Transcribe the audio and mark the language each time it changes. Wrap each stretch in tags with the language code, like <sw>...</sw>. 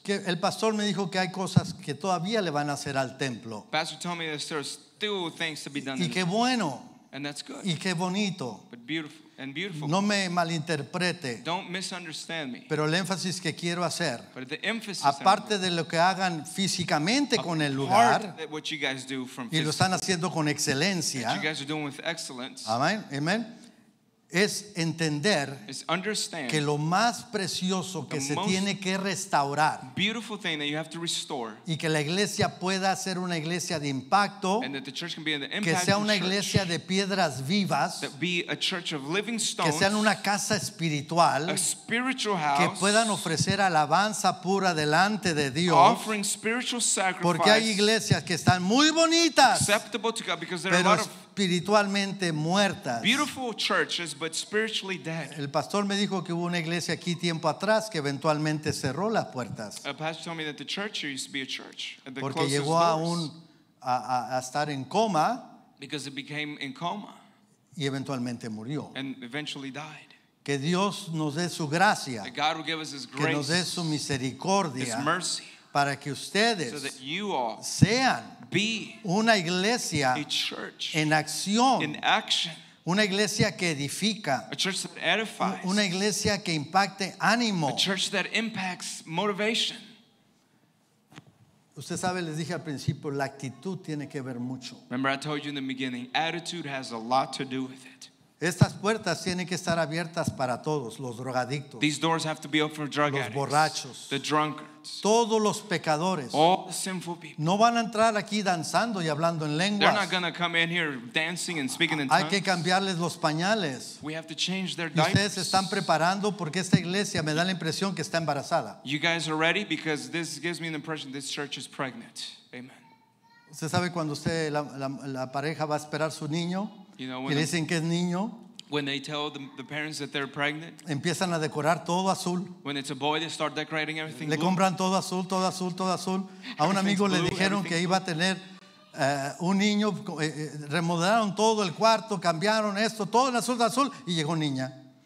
<es>que el pastor me dijo que hay cosas que todavía le van a hacer al templo.</es> <en>Pastor told me that there are still things to be done.</en> <es>Y qué bueno.</es> <en>And that's good.</en> <es>Y qué bonito.</es> <en>But beautiful. And beautiful.</en> <es>No me malinterprete.</es> <en>Don't misunderstand me.</en> <es>Pero el énfasis que quiero hacer,</es> <en>but the emphasis</en> <es>aparte de lo que hagan físicamente con el lugar,</es> <en>what you guys do from</en> <es>y lo están haciendo con excelencia,</es> <en>you guys are doing with excellence,</en> <es>amen, amen, es entender</es> <en>is understand</en> <es>que lo más precioso que se tiene que restaurar</es> <en>beautiful thing that you have to restore,</en> <es>y que la iglesia pueda ser una iglesia de impacto</es> <en>and that the church can be an impact</en> <es>que sea una</es> <en>church,</en> <es>iglesia de piedras vivas</es> <en>that be a church of living stones,</en> <es>que sean una casa espiritual</es> <en>a spiritual house,</en> <es>que puedan ofrecer alabanza pura delante de Dios</es> <en>offering spiritual sacrifice,</en> <es>porque hay iglesias que están muy bonitas</es> <en>acceptable to God because there</en> <es>pero</es> <en>are a lot of</en> <es>espiritualmente muertas.</es> <en>Beautiful churches, but spiritually dead.</en> <es>El pastor me dijo que hubo una iglesia aquí tiempo atrás que eventualmente cerró las puertas.</es> <en>A pastor told me that the church used to be a church.</en> <es>Porque llegó a estar en coma.</es> <en>Because it became in coma.</en> <es>Y eventualmente murió.</es> <en>And eventually died.</en> <es>Que Dios nos dé su gracia.</es> <en>That God will give us his grace.</en> <es>Que nos dé su misericordia.</es> <en>His mercy.</en> <es>Para que ustedes</es> <en>so that you all</en> <es>sean</es> <en>be</en> <es>una iglesia</es> <en>a church</en> <es>en acción.</es> <en>In action.</en> <es>Una iglesia que edifica.</es> <en>A church that edifies.</en> <es>Una iglesia que impacte ánimo.</es> <en>A church that impacts motivation.</en> <es>Usted sabe, les dije al principio, la actitud tiene que ver mucho.</es> <en>Remember, I told you in the beginning, attitude has a lot to do with it.</en> <es>Estas puertas tienen que estar abiertas para todos, los drogadictos.</es> <en>These doors have to be open for drug addicts.</en> <es>Los borrachos.</es> <en>The drunkards.</en> <es>Todos los pecadores.</es> <en>All the sinful people.</en> <es>No van a entrar aquí danzando y hablando en lenguas.</es> <en>They're not going to come in here dancing and speaking in tongues.</en> <es>Hay que cambiarles los pañales.</es> <en>We have to change their diapers.</en> <es>Ustedes están preparando porque esta iglesia me da la impresión que está embarazada.</es> <en>You guys are ready because this gives me the impression this church is pregnant. Amen.</en> <es>Usted sabe cuando usted la pareja va a esperar su niño.</es> <en>You know, when,</en> <es>niño,</es> <en>when they tell the parents that they're pregnant,</en> <es>empiezan a decorar todo azul.</es> <en>When it's a boy, they start decorating everything</en> <es>le</es> <en>blue.</en> <es>Compran todo azul, todo azul, todo azul. A un amigo</es> <en>blue,</en> <es>le dijeron que</es> <en>blue.</en> <es>Iba a tener un niño, remodelaron todo el cuarto, cambiaron esto, todo en azul, de azul, y llegó niña.</es>